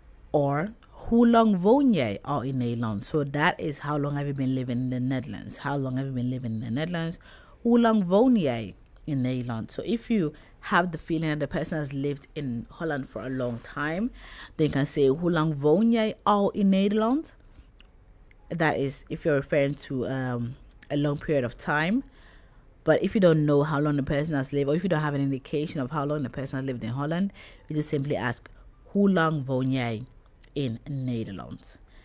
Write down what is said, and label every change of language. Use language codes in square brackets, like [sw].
[nl] Or hoe lang woon jij al in Nederland? [en] So that is how long have you been living in the Netherlands? How long have you been living in the Netherlands? [nl] Hoe lang woon jij in Nederland? [en] So if you have the feeling that the person has lived in Holland for a long time, then you can say [nl] hoe lang woon jij al in Nederland? [en] That is if you're referring to a long period of time. But if you don't know how long the person has lived, or if you don't have an indication of how long the person has lived in Holland, you just simply ask, [nl] hoe lang woon jij in Nederland?